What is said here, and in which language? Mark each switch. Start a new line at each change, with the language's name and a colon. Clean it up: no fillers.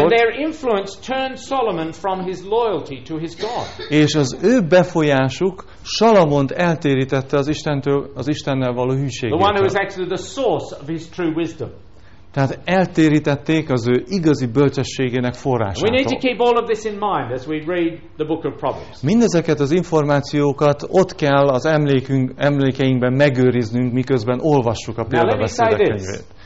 English: And their influence turned Solomon from his loyalty to his God.
Hungarian: És az ő befolyásuk Salamont eltérítette az Istentől, az Istennel való hűségétől.
English: The one who was actually the source of his true wisdom.
Hungarian: Tehát eltérítették az ő igazi bölcsességének forrásától.
English: We need to keep all of this in mind as we read the book of Proverbs.
Hungarian: Mindezeket az információkat ott kell az emlékeinkben megőriznünk, miközben olvassuk a példabeszédek könyvét.